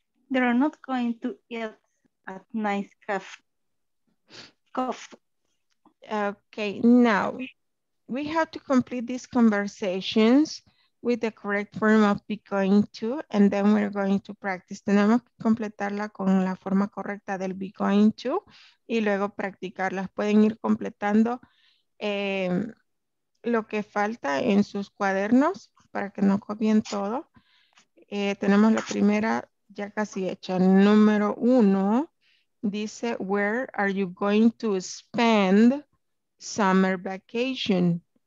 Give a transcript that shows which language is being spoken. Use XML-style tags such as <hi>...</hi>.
<en>They are not going to eat at Nice Cafe. Okay, now we have to complete these conversations with the correct form of be going to, and then we're going to practice.</en> <es>Tenemos que completarla con la forma correcta del be going to y luego practicarlas. Pueden ir completando lo que falta en sus cuadernos para que no copien todo. Tenemos la primera ya casi hecha. Número uno dice,</es> <en>where are you going to spend summer vacation?</en>